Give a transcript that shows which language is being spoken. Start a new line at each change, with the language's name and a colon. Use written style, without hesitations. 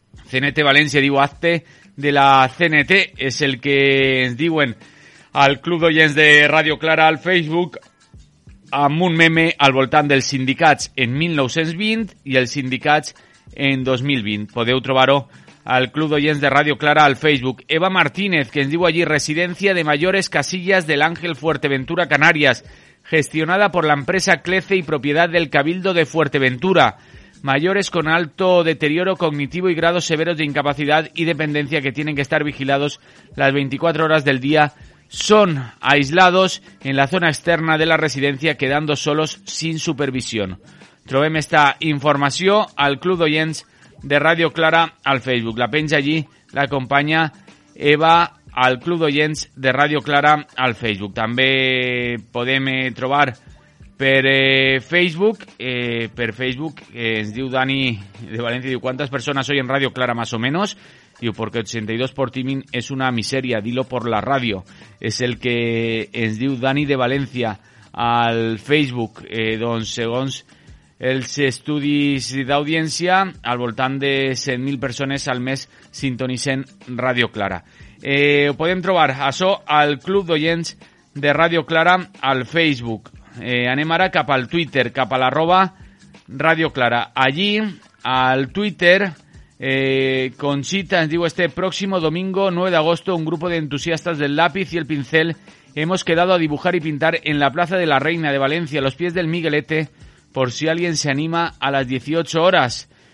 Catalan: CNT València, diu, hazte de la CNT, és el que ens diuen al Club d'Oients de Radio Clara al Facebook, amb un meme al voltant dels sindicats en 1920 i els sindicats en 2020. Podeu trobar-ho al Club d'Oients de Radio Clara al Facebook. Eva Martínez, que ens diu allí, residència de mayores casillas de l'Àngel Fuerteventura, Canàries, gestionada per l'empresa Clece i propietat del Cabildo de Fuerteventura.
Spanish: Mayores con alto deterioro cognitivo y grados severos de incapacidad y dependencia que tienen que estar vigilados las 24 horas del día son aislados en la zona externa de la residencia quedando solos sin supervisión.
Catalan: Trobem esta información al Club d'Oients de Radio Clara al Facebook. La penja allí, la acompaña Eva al Club d'Oients de Radio Clara al Facebook. També podem trobar Per Facebook, ens diu Dani de València, diu, quantes persones oi en Ràdio Clara, més o menys? Diu, perquè 82 por timing és una misèria, dilo por la ràdio. És el que ens diu Dani de València al Facebook. Doncs, segons els estudis d'audiència, al voltant de 100.000 persones al mes sintonitzen Ràdio Clara. Ho podem trobar, això, al Club d'Oients de Ràdio Clara al Facebook. Anem ara cap al Twitter, cap a l'arroba Ràdio Clara.
Spanish: Allí, al Twitter, Conchita ens diu, este próximo domingo 9 de agosto, un grupo de entusiastas del lápiz y el pincel hemos quedado a dibujar y pintar en la Plaza de la Reina de Valencia, a los pies del Miguelete, por si alguien se anima a las 18 horas.